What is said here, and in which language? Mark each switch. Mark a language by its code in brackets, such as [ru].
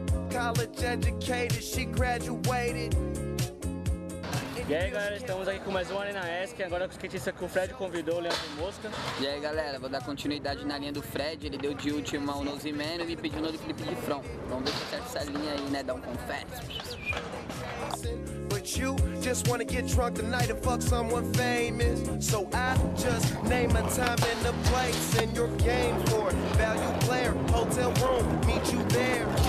[en] College educated, she graduated. [pt] E aí galera, estamos aqui com mais um Arena Esc, agora com o skatista que o Fred convidou, o Leandro Mosca. E aí galera, vou dar continuidade na linha do Fred, ele deu de última o nose man e me pediu no clipe de front. Vamos ver se acerta essa linha aí, né, dá um confesso. [en] But you just wanna get drunk tonight and fuck someone famous. So I just name a time and a place and your game for it. Value player, hotel room, meet you there.